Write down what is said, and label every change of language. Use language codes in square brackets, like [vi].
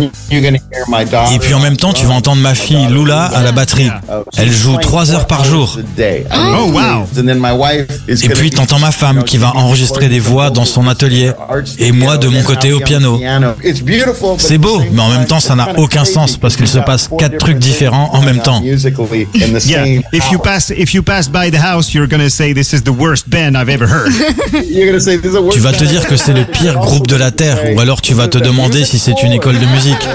[fr] Et puis en même temps, tu vas entendre ma fille Lula à la batterie. Elle joue 3 heures par jour. Oh wow. Et puis t'entends ma femme qui va enregistrer des voix dans son atelier et moi de mon côté au piano. C'est beau, mais en même temps ça n'a aucun sens parce qu'il se passe 4 trucs différents en même temps. [en] Yeah, if you pass by the house, you're gonna say this is the worst band I've ever heard. [fr] Tu vas te dire que c'est le pire groupe de la terre, ou alors tu vas te demander si c'est une école de musique.